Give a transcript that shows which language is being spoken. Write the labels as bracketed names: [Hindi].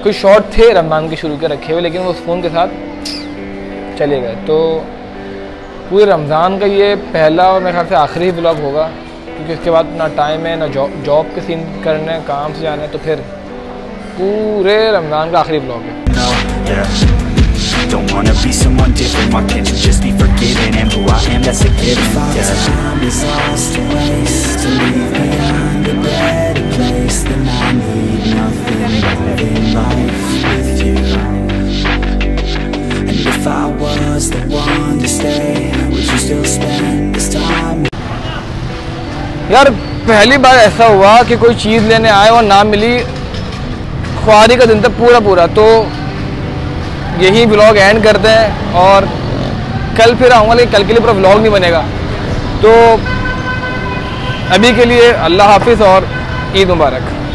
[Urdu] کچھ شارٹ تھے رمضان کے شروع کے رکھے ہوئے لیکن وہ اس فون کے ساتھ چلے گئے. تو پورے رمضان کا یہ پہلا اور میرے خیال سے آخری ہی ولاگ ہوگا, کیونکہ اس کے بعد نہ ٹائم ہے نہ جاب کے سین کرنے, کام سے جانا ہے. تو پھر پورے رمضان کا آخری ولاگ ہے. [English] Don't wanna be someone different, why can't you just be forgiven? And who I am, that's a gift. If all this time is lost to waste, to leave behind a better place, then I need nothing but in life with you. And if I was the one to stay, would you still spend this time? [Urdu] یار پہلی بار ایسا ہوا کہ کوئی چیز لینے آئے اور نہ ملی, خواری کا دن تھا پورا پورا. تو یہی ولاگ اینڈ کرتے ہیں اور کل پھر آؤں گا, لیکن کل کے لیے پورا ولاگ نہیں بنے گا. تو ابھی کے لیے اللہ حافظ اور عید مبارک.